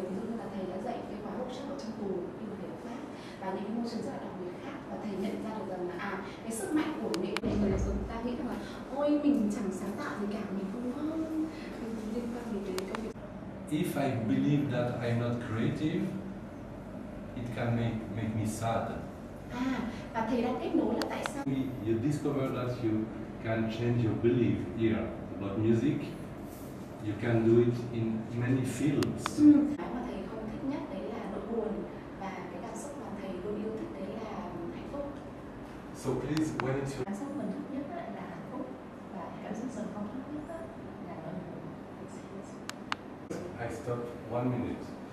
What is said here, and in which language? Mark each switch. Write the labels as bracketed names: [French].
[Vietnamese] Ví dụ như là thầy đã dạy cái khóa workshop ở trong tù nhưng mà thầy ở Pháp và những môi trường rất là đặc biệt khác, và thầy nhận ra được rằng là cái sức mạnh của những người mà chúng ta nghĩ là ôi mình chẳng sáng tạo gì cả, mình không có liên quan gì đến công việc. [English] If I believe that I'm not creative, it can make me sad. [Vietnamese] Và thầy đang kết nối là tại sao? [English] You discover that you can change your belief here about music. You can do it in many fields. [Vietnamese] Cái mà thầy không thích nhất đấy là nỗi buồn, và cái cảm xúc mà thầy luôn yêu thích đấy là hạnh phúc. [English] So please, when it's [Vietnamese] cảm xúc mình thích nhất là hạnh phúc, và cảm xúc mình không thích nhất là nỗi buồn. [English] I stop 1 minute.